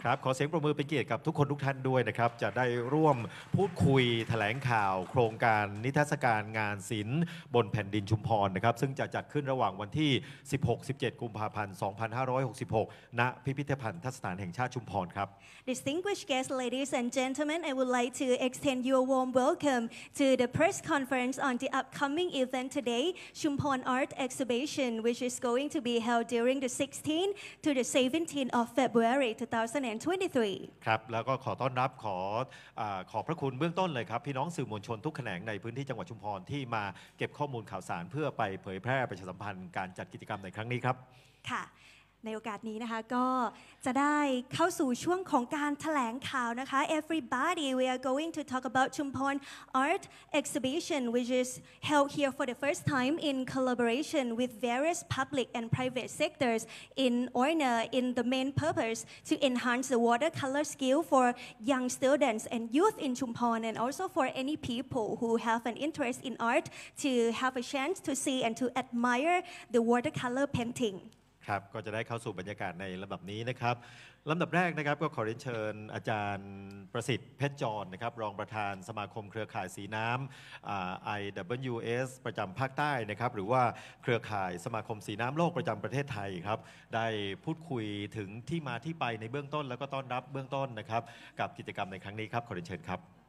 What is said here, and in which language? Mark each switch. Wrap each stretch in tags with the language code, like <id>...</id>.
<th>ครับขอเสียงปรบมือเป็นเกียรติกับทุกคนทุกท่านด้วยนะครับจะได้ร่วมพูดคุยแถลงข่าวโครงการนิทรรศการงานศิลป์บนแผ่นดินชุมพรนะครับซึ่งจะจัดขึ้นระหว่างวันที่ 16-17 กุมภาพันธ์ 2566 ณพิพิธภัณฑสถานแห่งชาติชุมพรครับ</th> <en>Distinguished guests, ladies and gentlemen, I would like to extend your warm welcome to the press conference on the upcoming event today, Chumphon Art Exhibition, which is going to be held during the 16th to the 17th of February 2023.</en> <th>ครับแล้วก็ขอต้อนรับขอพระคุณเบื้องต้นเลยครับพี่น้องสื่อมวลชนทุกแขนงในพื้นที่จังหวัดชุมพรที่มาเก็บข้อมูลข่าวสารเพื่อไปเผยแพร่ประชาสัมพันธ์การจัดกิจกรรมในครั้งนี้ครับ ค่ะ ในโอกาสนี้นะคะก็จะได้เข้าสู่ช่วงของการแถลงข่าวนะคะ</th> <en>Everybody, we are going to talk about Chumphon Art Exhibition, which is held here for the first time in collaboration with various public and private sectors in Oyna, in the main purpose to enhance the watercolor skill for young students and youth in Chumphon, and also for any people who have an interest in art to have a chance to see and to admire the watercolor painting.</en> <th>ครับก็จะได้เข้าสู่บรรยากาศในลำดับนี้นะครับลำดับแรกนะครับก็ขอเรียนเชิญอาจารย์ประสิทธิ์เพชรจรนะครับรองประธานสมาคมเครือข่ายสีน้ำIWS ประจำภาคใต้นะครับหรือว่าเครือข่ายสมาคมสีน้ำโลกประจำประเทศไทยครับได้พูดคุยถึงที่มาที่ไปในเบื้องต้นแล้วก็ต้อนรับเบื้องต้นนะครับกับกิจกรรมในครั้งนี้ครับขอเรียนเชิญครับ</th>